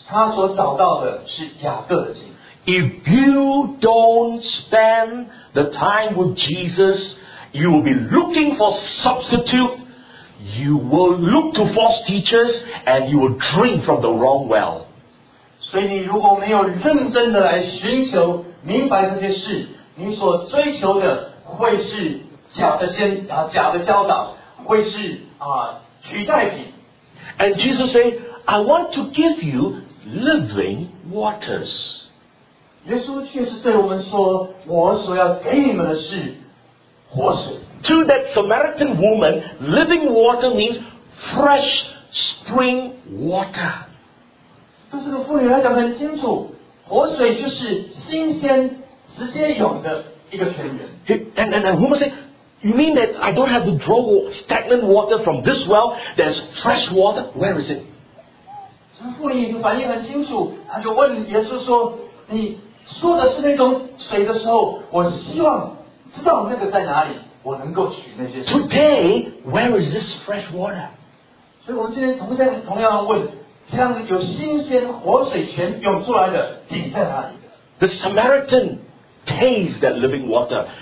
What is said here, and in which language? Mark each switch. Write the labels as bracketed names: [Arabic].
[Chinese] 这个妇女所找到的是一口错的井，她所找到的是雅各的井。 [English] If you don't spend the time with Jesus, you will be looking for substitute. You will look to false teachers and you will drink from the wrong well. [Chinese] 所以你如果没有认真的来寻求明白这些事，你所追求的会是假的教导，会是取代品。 [English] And Jesus said, I want to give you living waters. [Chinese] 耶稣确实对我们说，我所要给你们的是活水。 [English] To that Samaritan woman, living water means fresh spring water. [Chinese] 但是这个妇女来讲很清楚, 活水就是新鲜, 直接涌的一个泉源。 [English] And woman said, you mean that I don't have to draw stagnant water from this well? There's fresh water? Where is it? [Chinese] 这妇女就反应很清楚, 她就问耶稣说, 你说的是那种水的时候, 我希望知道那个在哪里, 我能够取那些水。 [English] Today, where is this fresh water? [Chinese] 所以我们今天同样问, 这样有新鲜活水泉涌出来的井在哪里? [English] The Samaritan tastes that living water.